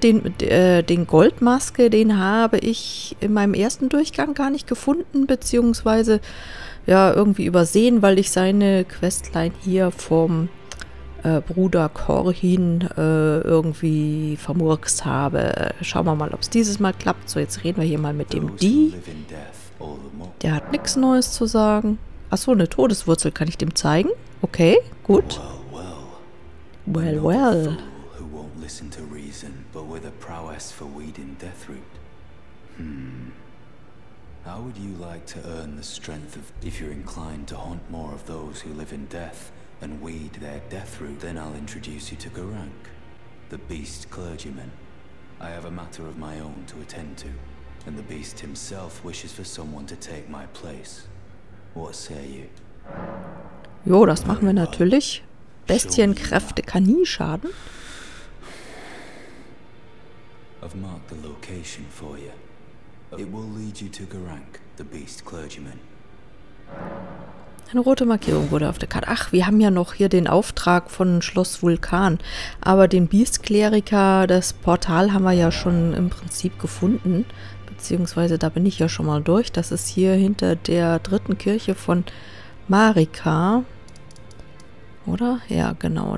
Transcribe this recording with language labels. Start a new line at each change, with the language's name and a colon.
German: Den Goldmaske, den habe ich in meinem ersten Durchgang gar nicht gefunden, beziehungsweise ja irgendwie übersehen, weil ich seine Questline hier vom Bruder Corhin irgendwie vermurkst habe. Schauen wir mal, ob es dieses Mal klappt. So, jetzt reden wir hier mal mit dem D. Der hat nichts Neues zu sagen. Achso, eine Todeswurzel kann ich dem zeigen. Okay, gut.
English: Well, well. Listen to reason, but with a prowess for weeding Deathroot. How would you like to earn the strength of if you're inclined to haunt more of those who live in death and weed their Deathroot? Then I'll introduce you to Garank, the beast clergyman. I have a matter of my own to attend to, and the beast himself wishes for someone to take my place. What say you?
German: Jo, das machen wir natürlich. Bestienkräfte kann nie schaden.
English: I've marked the location for you. It will lead you to Garank, the beast clergyman.
German: Eine rote Markierung wurde auf der Karte. Ach, wir haben ja noch hier den Auftrag von Schloss Vulkan. Aber den Beast-Kleriker, das Portal haben wir ja schon im Prinzip gefunden. Beziehungsweise da bin ich ja schon mal durch. Das ist hier hinter der dritten Kirche von Marika. Oder? Ja, genau.